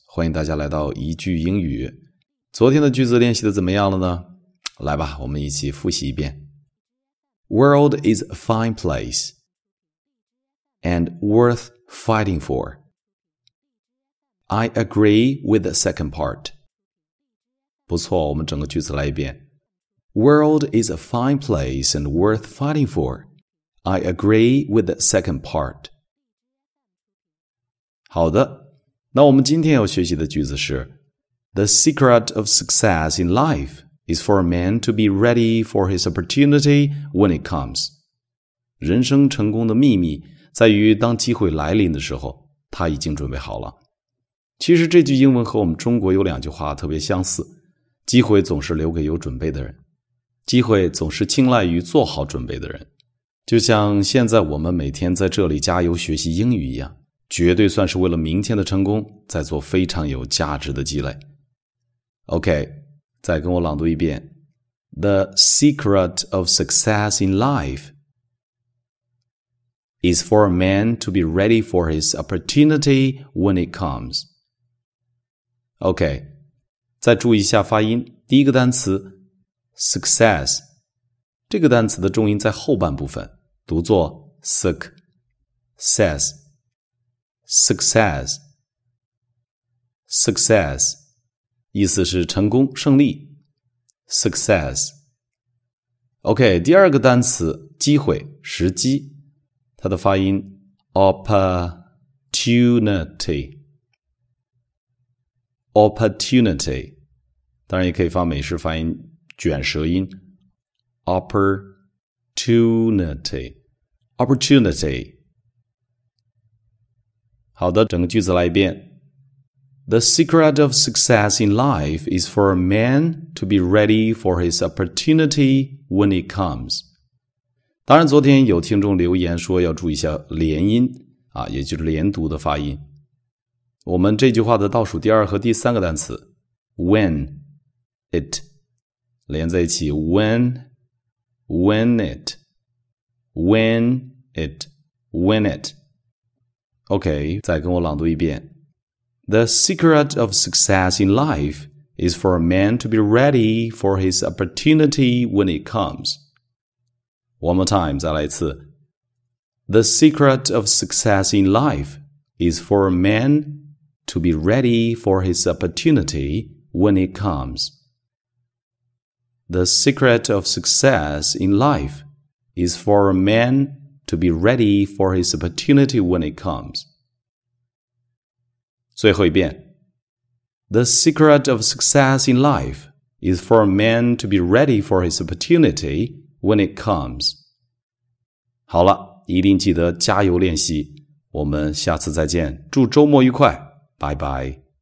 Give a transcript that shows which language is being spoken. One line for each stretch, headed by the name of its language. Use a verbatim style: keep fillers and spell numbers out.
Chinese: 欢迎大家来到一句英语。昨天的句子练习的怎么样了呢？来吧，我们一起复习一遍。
English: World is a fine place and worth fighting for. I agree with the second part.
Chinese: 不错，我们整个句子来一遍。
English: World is a fine place and worth fighting for. I agree with the second part.
Chinese: 好的，那我们今天要学习的句子是
English: The secret of success in life is for a man to be ready for his opportunity when it comes.
Chinese: 人生成功的秘密在于当机会来临的时候，他已经准备好了。其实这句英文和我们中国有两句话特别相似，机会总是留给有准备的人，机会总是青睐于做好准备的人。就像现在我们每天在这里加油学习英语一样，绝对算是为了明天的成功在做非常有价值的积累。
English: OK,
Chinese: 再跟我朗读一遍。
English: The secret of success in life is for a man to be ready for his opportunity when it comes.
Chinese: OK, 再注意一下发音。第一个单词 success, 这个单词的重音在后半部分，读作 success. Success, success, 意思是成功、胜利。Success. OK, 第二个单词机会、时机，它的发音 opportunity, opportunity, 当然也可以发美式发音卷舌音 opportunity, opportunity. 好的，整个句子来一遍。
English: The secret of success in life is for a man to be ready for his opportunity when it comes.
Chinese: 当然，昨天有听众留言说要注意一下连音啊，也就是连读的发音。我们这句话的倒数第二和第三个单词 when it 连在一起 when when it when it when it。 OK, 再跟我朗读一遍。
English: The secret of success in life is for a man to be ready for his opportunity when it comes. One more time,
Chinese: 再来一次。
English: The secret of success in life is for a man to be ready for his opportunity when it comes. The secret of success in life is for a man to be ready for his opportunity when it comes.
Chinese: 最后一遍。
English: The secret of success in life is for a man to be ready for his opportunity when it comes.
Chinese: 好了，一定记得加油练习。我们下次再见，祝周末愉快，拜拜。